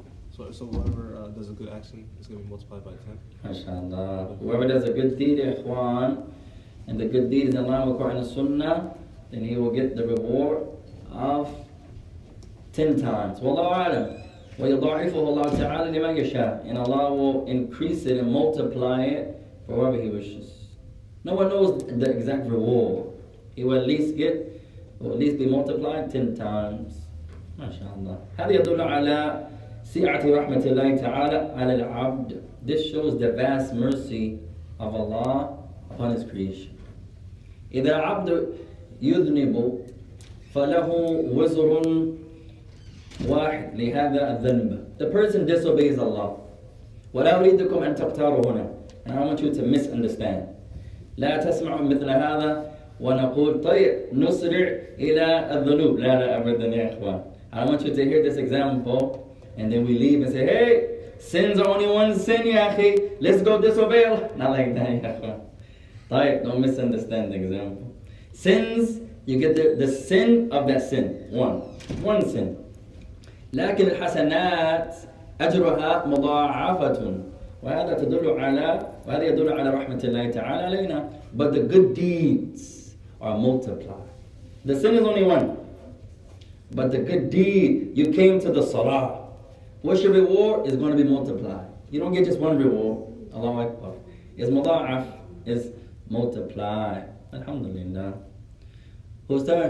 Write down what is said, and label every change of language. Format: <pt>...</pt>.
<en>So whoever does a good action is going to be multiplied by 10. MashaAllah. Whoever does a good deed, ikhwan, and the good deed is in line with Quran and Sunnah, then he will get the reward of 10 times. Wallahu alam.</en> <ar>ويضاعفه الله تعالى لمن يشاء.</ar> <en>And Allah will increase it and multiply it for whoever He wishes. No one knows the exact reward. He will at least get, will at least be multiplied 10 times. MashaAllah.</en> <ar>هذا يدل على سعة رحمة الله تعالى على العبد.</ar> <en>This shows the vast mercy of Allah upon His creation.</en> <ar>إذا عبد يذنب فله وزر واحد لهذا الذنب.</ar> <en>The person disobeys Allah.</en> <ar>ولا أريدكم أن تقتاروا هنا.</ar> <en>And I want you to misunderstand.</en> <ar>لا تسمع مثل هذا ونقول طيب نسرع إلى الذنوب. لا لا أبدا يا إخوان.</ar> <en>I want you to hear this example. And then we leave and say, hey, sin's only one sin,</en> <ar>يا أخي.</ar> <en>Let's go disobey Allah. Not like that,</en> <ar>يا إخوان.</ar> <en>طيب, don't misunderstand the example. Sins, you get the sin of that sin. One sin.</en> <ar>لكن الحسنات أجرها مضاعفة وهذا تدل على وهذا يدل على رحمة الله تعالى علينا.</ar> <en>But the good deeds are multiplied. The sin is only one. But the good deed, you came to the salah. What's your reward? Is going to be multiplied. You don't get just one reward. Allahu Akbar. It's مضاعف. It's multiplied. Alhamdulillah. Who's turn?</en>